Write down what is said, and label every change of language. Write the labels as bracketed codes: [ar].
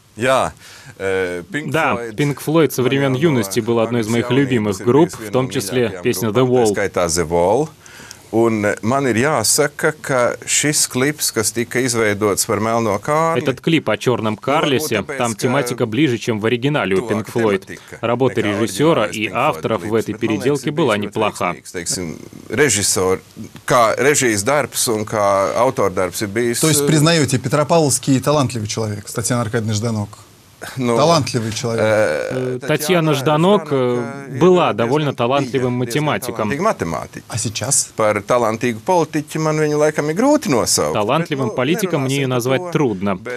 [ru] Да, Pink Floyd со времен юности был одной из моих любимых групп, в том числе песня [en] «The Wall». [lv] Un man ir jāsaka, ka šis klips, kas tika izveidots par Melno Kārli. [ru] Этот клип о чёрном Карлисе, там тематика ближе, чем в оригинале у Pink Floyd. Работа режиссёра и авторов в этой переделке была неплоха. [lv] Режиссёр, kā režijas darbs un kā autordarbs ir bijis. [ru] То есть признаёте, Петропавловский талантливый человек, Татьяна Аркадьевна Жданок. Но, талантливый человек. Татьяна Жданок была довольно талантливым математиком. А сейчас? Талантливым политиком мне ее назвать трудно.